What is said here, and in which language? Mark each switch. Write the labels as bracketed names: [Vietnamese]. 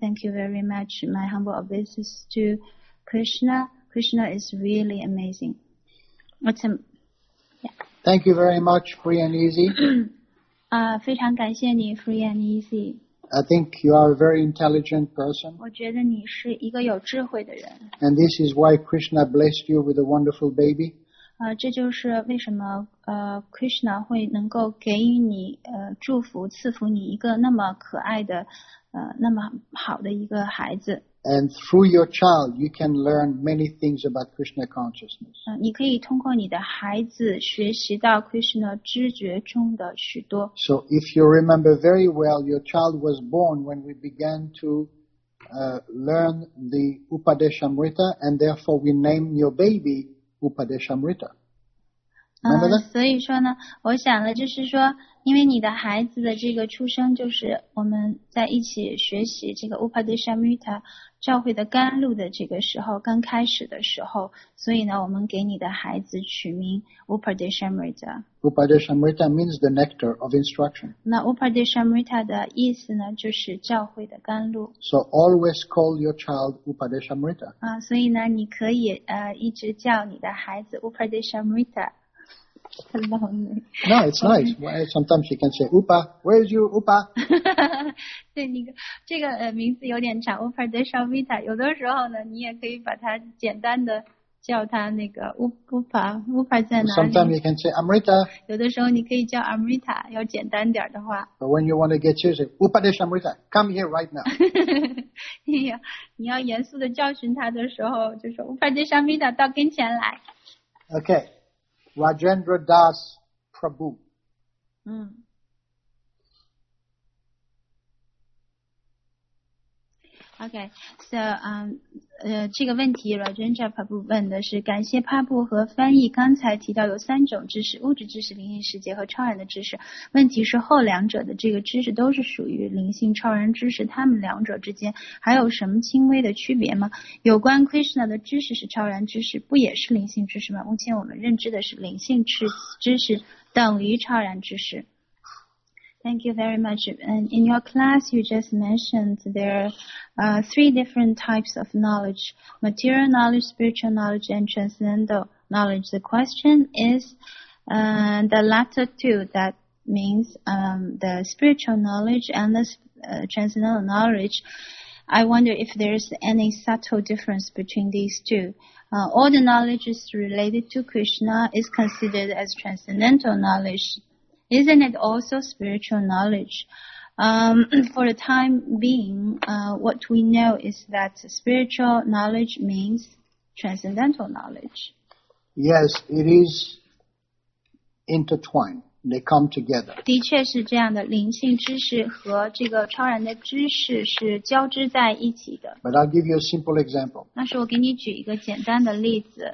[English] Thank you very much. My humble obeisances to Krishna. Krishna is really amazing. Thank you very much, Free and Easy. [Chinese] 非常感谢你 ，Free and Easy. [English] I think you are a very intelligent person. [Chinese] 我觉得你是一个有智慧的人。 [English] And this is why Krishna blessed you with a wonderful baby. [Chinese] 这就是为什么Krishna 会能够给予你祝福，赐福你一个那么可爱的那么好的一个孩子。 [English] And through your child, you can learn many things about Krishna consciousness. [Chinese] 你可以通过你的孩子学习到 Krishna 知觉中的许多。 [English] So if you remember very well, your child was born when we began to learn the Upadeshamrita, and therefore we named your baby Upadeshamrita. Remember that? [Chinese] 所以说呢，我想了，就是说，因为你的孩子的这个出生，就是我们在一起学习这个 Upadeshamrita。教会的甘露的这个时候刚开始的时候，所以呢我们给你的孩子取名 Upadeshamrita。 [English] Upadeshamrita means the nectar of instruction. [Chinese] 那 Upadeshamrita 的意思呢就是教会的甘露。 [English] So always call your child Upadeshamrita. [Chinese] 所以呢你可以一直叫你的孩子 Upadeshamrita。 [English] No, it's nice. Sometimes you can say, Upa, where is you, Upa? [Chinese] 对，你这个名字有点长 ，Upadeshamrita。有的时候呢，你也可以把它简单的叫它那个 Upa 在哪里。 [English] Sometimes you can say Amrita. [Chinese] 有的时候你可以叫 Amrita， 要简单点的话。 [English] But when you want to get serious, Upadeshamrita, come here right now. [Chinese] 你要严肃的教训他的时候，就说 Upadeshamrita 到跟前来。 [English] Okay. Rajendra Das Prabhu. Okay, so, [Chinese] 这个问题 Rajendra Prabhu 问的是，感谢 Prabhu 和翻译刚才提到有三种知识，物质知识、灵性世界和超然的知识。问题是后两者的这个知识都是属于灵性超然知识，他们两者之间还有什么轻微的区别吗？有关 Krishna 的知识是超然知识，不也是灵性知识吗？目前我们认知的是灵性知识等于超然知识。 [English] Thank you very much. And in your class, you just mentioned there are three different types of knowledge, material knowledge, spiritual knowledge, and transcendental knowledge. The question is the latter two, that means the spiritual knowledge and the transcendental knowledge. I wonder if there's any subtle difference between these two. All the knowledge is related to Krishna is considered as transcendental knowledge. Isn't it also spiritual knowledge? For the time being, what we know is that spiritual knowledge means transcendental knowledge. Yes, it is intertwined. They come together. [Chinese] 的确是这样的，灵性知识和这个超然的知识是交织在一起的。 [English] But I'll give you a simple example. [Chinese] 那是我给你举一个简单的例子。